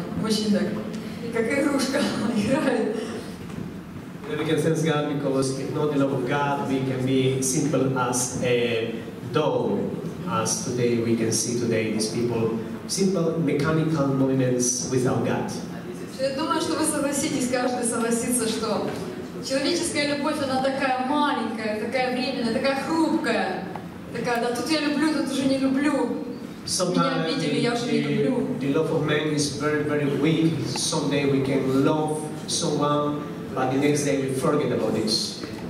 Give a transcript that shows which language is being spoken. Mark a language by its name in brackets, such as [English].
[Russian] мужчина, как игрушка играет. [English] We can sense God because if not in love of God, we can be simple as a doll, as today we can see today these people, simple mechanical movements without God. [Russian] Я думаю, что вы согласитесь, каждый согласится, что человеческая любовь, она такая маленькая, такая временная, такая хрупкая, такая, да тут я люблю, тут уже не люблю. [English] The love of man is very, very weak. Someday we can love someone, but the next day we forget about this.